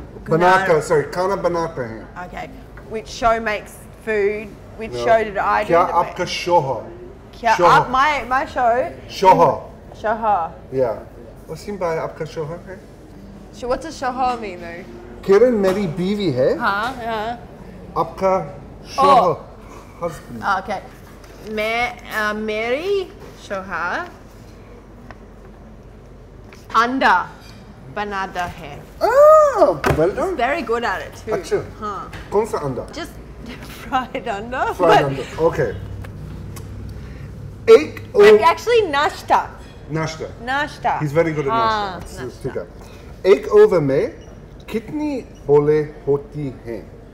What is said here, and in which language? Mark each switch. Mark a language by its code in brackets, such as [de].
[hi] बनाकर, [en] sorry, [hi] खाना बनाते हैं. [en] Okay, which show makes food? Which no. show did I do? [hi] क्या आपका शोहर? क्या आप [en] my show? [hi] शोहर. शोहर. [en] Yeah. What's your name? [hi] आपका शोहर है? [en] So what does शोहर mean though? [hi] किरण मेरी बीवी है. हाँ. आपका शोहर. [en] Oh. Husband. [hi] Okay. मेरी शोहर अंडा बनाता है. [en] Oh, well done. He's very good at it too. [hi] अच्छा. हाँ. कौन सा अंडा? [en] Just fried anda. Fried anda. Okay. [hi] एक और. [en] Like actually nashta. [hi] नाश्ता. नाश्ता. [en] He's very good at nashta. [hi] ठीक है. एक ओवर में कितनी बोले होती हैं?